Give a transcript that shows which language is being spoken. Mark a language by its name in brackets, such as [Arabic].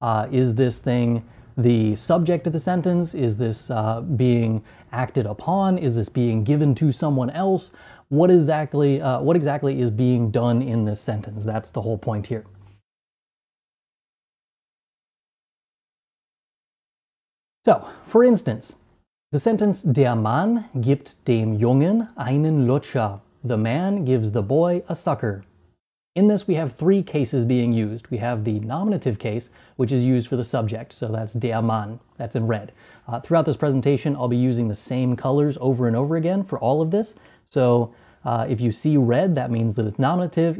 [English] Is this thing the subject of the sentence? Is this being acted upon? Is this being given to someone else? What exactly is being done in this sentence? That's the whole point here. So, for instance, the sentence, [German] der Mann gibt dem Jungen einen Lutscher. [English] The man gives the boy a sucker. In this, we have three cases being used. We have the nominative case, which is used for the subject, so that's der Mann, that's in red. Throughout this presentation, I'll be using the same colors over and over again for all of this. So if you see red, that means that it's nominative.